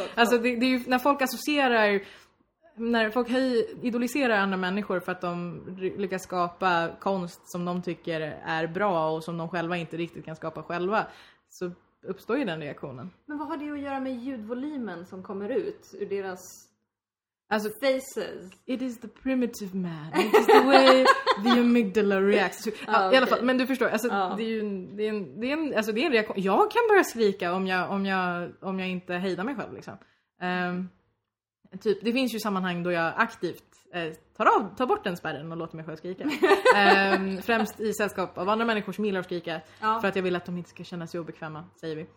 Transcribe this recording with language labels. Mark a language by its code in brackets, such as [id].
[sv] alltså det är ju när folk associerar, när folk idoliserar andra människor för att de lyckas skapa konst som de tycker är bra och som de själva inte riktigt kan skapa själva, så uppstår ju den reaktionen. Men vad har det att göra med ljudvolymen som kommer ut ur deras, alltså, faces? [en] It is the primitive man. It is the way the amygdala reacts. [sv] I alla fall, men du förstår. Alltså, det är en reaktion. Jag kan börja skrika om jag inte hejdar mig själv. Liksom. Typ, det finns ju sammanhang då jag aktivt tar bort den spärren och låter mig själv skrika. Främst i sällskap av andra människor som gillar att skrika. För att jag vill att de inte ska känna sig obekväma, säger vi.